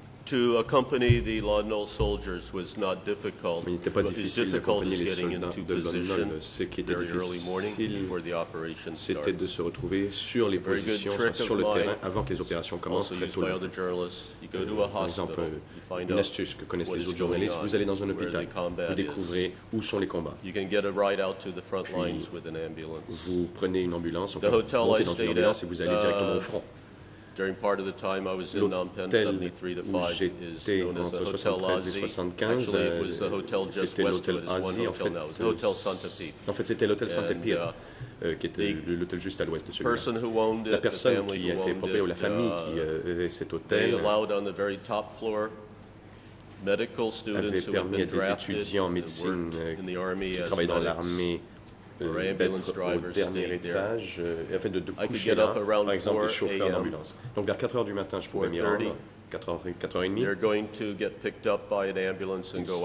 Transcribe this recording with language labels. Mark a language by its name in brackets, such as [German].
[English] To accompany the Lodnol soldiers was not difficult. [French] Il n'était pas difficile d'accompagner les soldats de Lodnol. Ce qui était difficile, c'était de se retrouver sur les positions, sur le terrain, avant que les opérations commencent très tôt. Par exemple, une astuce que connaissent les autres journalistes, vous allez dans un hôpital, vous découvrez où sont les combats. Puis, vous prenez une ambulance, enfin, vous montez dans une ambulance et vous allez directement au front. [English] During part of the time I was in Phnom Penh, 73 to 5, is known as the Hotel Ozzy. Actually, it was the hotel just west of it. It's one hotel now. It was the Hotel Santa Pia. [French] En fait, c'était l'hôtel Santa Pia, qui était l'hôtel juste à l'ouest de celui-là. La personne qui était propriétaire, ou la famille qui avait cet hôtel, [English] allowed on the very top floor medical students [French] avait permis à des étudiants en médecine qui travaillaient dans l'armée d'être au dernier étage, afin de coucher là, par exemple, des chauffeurs d'ambulance. Donc vers 4 heures du matin, je pouvais m'y rendre, 4h30,